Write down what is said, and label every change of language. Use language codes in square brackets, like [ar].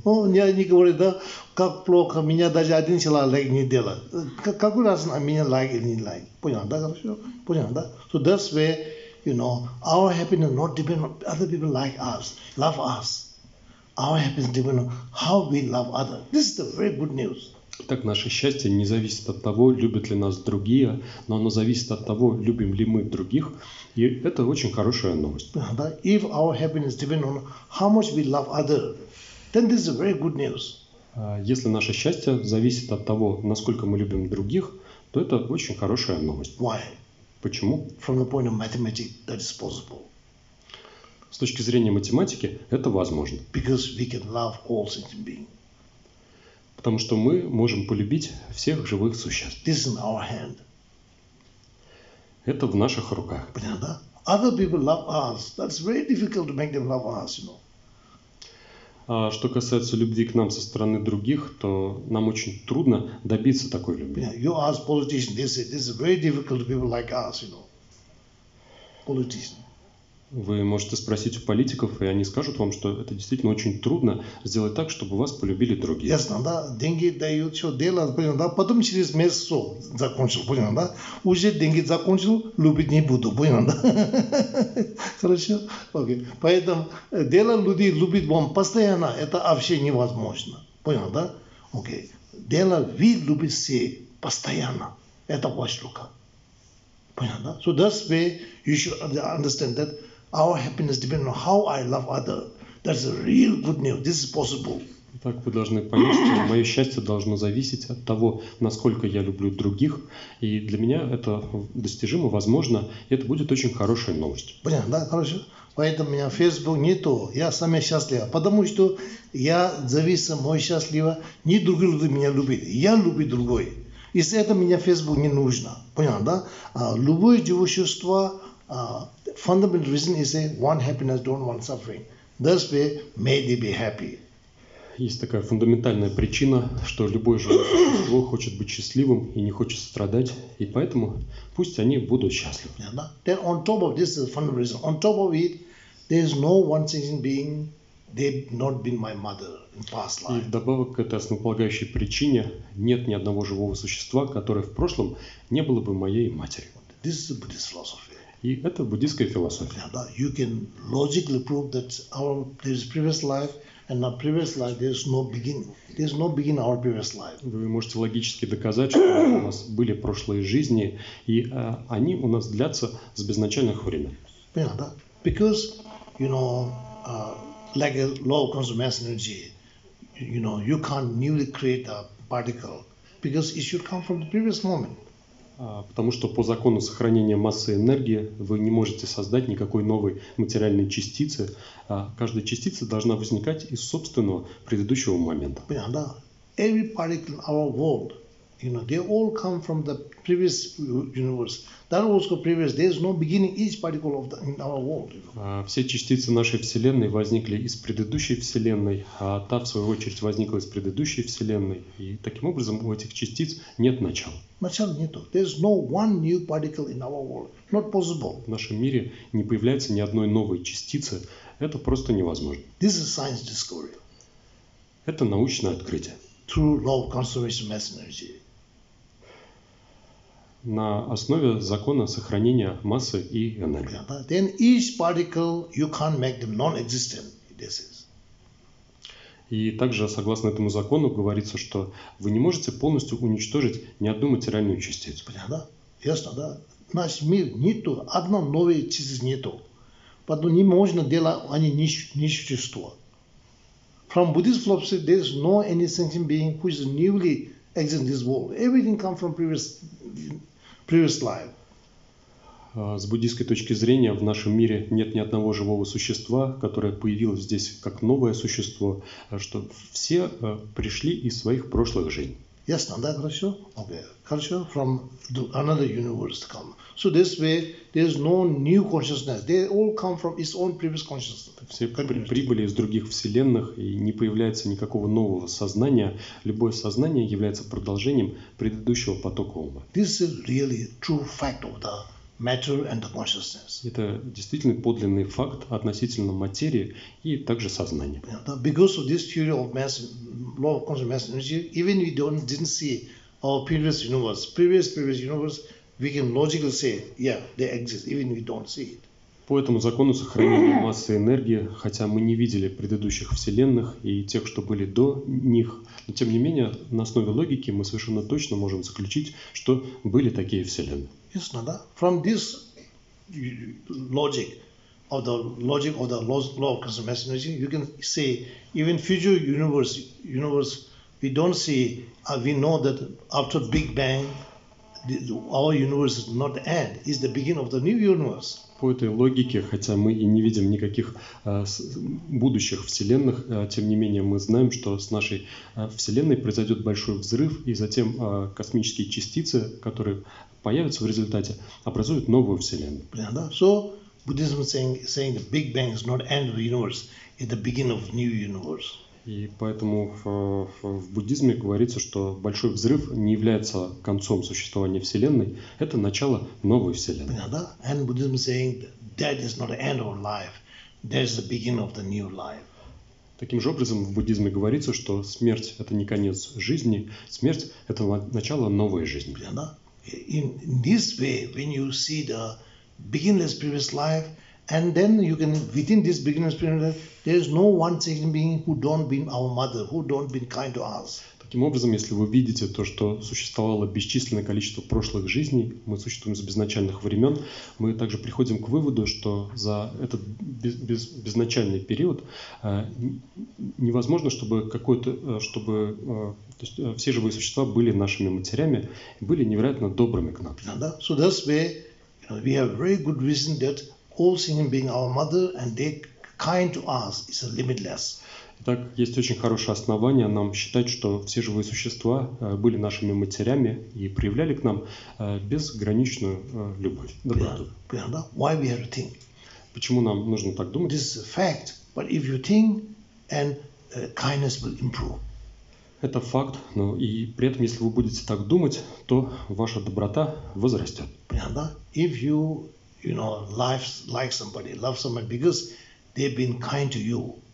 [ru] Не говорит, да, как плохо, меня даже один человек лайк не делает. Какой раз на меня лайк или не лайк? Понял, да, хорошо? Понял, да? [en] So that's where, you know, our happiness not depend on other people like us, love us. Our happiness depend on how we love others. This is the very good news. [ru] Так наше счастье не зависит от того, любят ли нас другие, но оно зависит от того, любим ли мы других. И это очень хорошая новость. [en] If our happiness depends on how much we love others, then this is very good news. [ru] Если наше счастье зависит от того, насколько мы любим других, то это очень хорошая новость. [en] Why? [ru] Почему? [en] From the point of mathematics, that is possible. [ru] С точки зрения математики, это возможно. [en] Because we can love all sentient beings. [ru] Потому что мы можем полюбить всех живых существ. [en] This is in our hand. [ru] Это в наших руках. Понятно? [en] Other people love us. That's very difficult to make them love us, you know. [ru] А что касается любви к нам со стороны других, то нам очень трудно добиться такой любви. [en] Yeah, you ask politicians, they say, this is very difficult to people like us, you know. Politicians. [ru] Вы можете спросить у политиков, и они скажут вам, что это действительно очень трудно сделать так, чтобы вас полюбили другие. Ясно, да? Деньги дают, все, дело, понятно, да? Потом через месяц закончил, понятно, да? Уже деньги закончил, любить не буду, понятно, да? Хорошо? Окей. Поэтому дело людей любить вам постоянно, это вообще невозможно. Понятно, да? Окей. Дело вы любите все постоянно. Это ваша рука. Понятно, да? [en] So that's way you should understand that our happiness depends on how I love other. That's a real good news. This is possible. [ru] Так вы должны понять, что мое счастье должно зависеть от того, насколько я люблю других. И для меня это достижимо, возможно. И это будет очень хорошая новость. Понятно, да? Хорошо. Поэтому у меня Facebook не то. Я сам счастлив. Потому что я зависим, мой счастливо. Не другие люди меня любят. Я люблю другой. Из-за этого мне Facebook не нужно. Понятно, да? Любое девушество, [en] fundamental reason is a one happiness, don't want suffering. Thus way, may they be happy. [ru] Есть такая фундаментальная причина, что любое животное хочет быть счастливым и не хочет страдать, и поэтому пусть они будут счастливы. [en] Yeah, no? Then on top of this is a fundamental reason. On top of it, there is no one sentient being, they've not been my mother in past life. [ru] И вдобавок к этой основополагающей причине нет ни одного живого существа, которое в прошлом не было бы моей матерью. [en] This is a Buddhist philosophy. [ru] И это буддийская философия. [en] Yeah, but you can logically prove that our there is previous life and our previous life there is no beginning. There is no beginning our previous life. [ru] Вы можете логически доказать, что у нас были прошлые жизни, и они у нас длятся с безначальных времен. Понятно, да? [en] Because, you know, like a law of conserved mass energy, you know, you can't newly create a particle because it should come from the previous moment. [ru] Потому что по закону сохранения массы энергии вы не можете создать никакой новой материальной частицы. Каждая частица должна возникать из собственного предыдущего момента. Понятно, да? [en] Every particle in our world, you know, they all come from the previous universe. That was the previous. There is no beginning each particle of the, in our world. You know? [ru] Все частицы нашей Вселенной возникли из предыдущей Вселенной, а та, в свою очередь, возникла из предыдущей Вселенной. И таким образом у этих частиц нет начала. Начала нет. [en] There is no one new particle in our world. Not possible. [ru] В нашем мире не появляется ни одной новой частицы. Это просто невозможно. [en] This is science discovery. [ru] Это научное открытие. [en] Through law of conservation of mass energy. [ru] На основе закона сохранения массы и энергии. [en] Yeah, then each particle you can't make them non-existent. This is. [ru] И также согласно этому закону говорится, что вы не можете полностью уничтожить ни одну материальную частицу. Понятно? Да? Ясно, да? Наш мир нету, одна новая частица нету. Потом не можно делать, они не существуют. [en] From Buddhist philosophy, there is no any sentient being who is newly exists in this world. Everything comes from previous life. [ru] С буддийской точки зрения, в нашем мире нет ни одного живого существа, которое появилось здесь как новое существо, что все пришли из своих прошлых жизней. Ясно, да, хорошо? [en] Okay. [ru] Хорошо. [en] From another universe come. So this way, there is no new consciousness. They all come from its own previous consciousness. [ru] Все прибыли из других вселенных, и не появляется никакого нового сознания. Любое сознание является продолжением предыдущего потока ума. [en] This is really true fact of the matter and the consciousness. [ru] Это действительно подлинный факт относительно материи и также сознания. [en] Because of this theory of mass, law of conscious mass energy, even we didn't see our previous universe, we can logically say, yeah, they exist, even if we don't see it. [ru] По этому закону сохранения массы энергии, хотя мы не видели предыдущих вселенных и тех, что были до них, но тем не менее, на основе логики мы совершенно точно можем заключить, что были такие вселенные. Ясно, да? [en] From this logic, of the logic of the law of conservation energy, you can say even future universe we don't see, we know that after Big Bang, our universe is not the end, it's the beginning of the new universe. [ru] По этой логике, хотя мы и не видим никаких будущих вселенных, тем не менее мы знаем, что с нашей вселенной произойдет большой взрыв, и затем космические частицы, которые появятся в результате, образуют новую вселенную. [en] Yeah, so Buddhism saying the Big Bang is not the end of the universe, it's the beginning of new universe. [ru] И поэтому в буддизме говорится, что большой взрыв не является концом существования Вселенной, это начало новой Вселенной. Да, [en] and Buddhism saying that is not the end of life, that is the beginning of the new life. [ru] Таким же образом в буддизме говорится, что смерть это не конец жизни, смерть это начало новой жизни. Да, [en] in this way, when you see the beginless previous life. And then you can, within this beginner's period, there is no one sentient being who don't been our mother, who don't been kind to us. [ru] Таким образом, если вы видите то, что существовало бесчисленное количество прошлых жизней, мы существуем с безначальных времен, мы также приходим к выводу, что за этот безначальный период невозможно, чтобы все живые существа были нашими матерями, были невероятно добрыми к нам. [en] So that's where, you know, we have very good reason that all sentient beings are our mother, and they kind to us is limitless. [ru] Итак, есть очень хорошее основание нам считать, что все живые существа были нашими матерями и проявляли к нам безграничную любовь. Да. [en] Why we have to think? [ru] Почему нам нужно так думать? [en] This is a fact, but if you think, and kindness will improve. [ru] Это факт, но и при этом, если вы будете так думать, то ваша доброта возрастет. Понятно? [en] If you like somebody, love somebody because they've been kind to you.